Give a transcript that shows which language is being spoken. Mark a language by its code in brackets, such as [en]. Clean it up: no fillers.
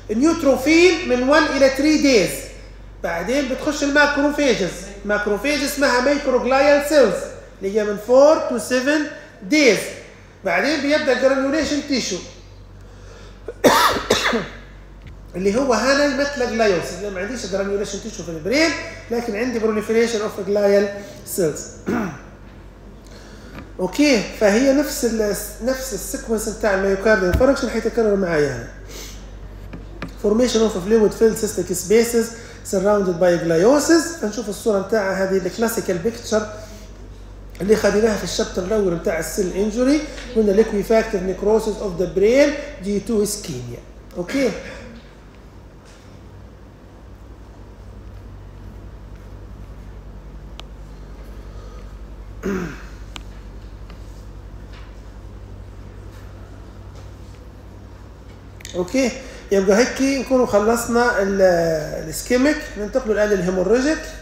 [ar] النيوتروفيل من 1 الى 3 دايز، بعدين بتخش الماكروفاجز، ماكروفاج اسمها مايكروغلايال سيلز اللي هي من 4 تو 7 دايز، بعدين بيبدا جرانيوليشن تيشو اللي هو هنا مثل جلايوس، ما عنديش جرانيوليشن تيشو في البرين لكن عندي بروليفريشن اوف جلايال سيلز. اوكي، فهي نفس السيكونس بتاع الميوكارديال انفاركشن حيتكرر معايا. [en] formation of fluid filled cystic spaces surrounded by gliosis. [ar] هنشوف الصورة بتاعها، هذه الكلاسيكال بيكتشر اللي خديناها في الشابتر الأول بتاع السيل انجوري، قلنا [en] liquefactive necrosis of the brain due to ischemia. [ar] اوكي، اوكي، يبقى هيك نكون خلصنا الاسكيميك، ننتقل الان للهيمورجيك.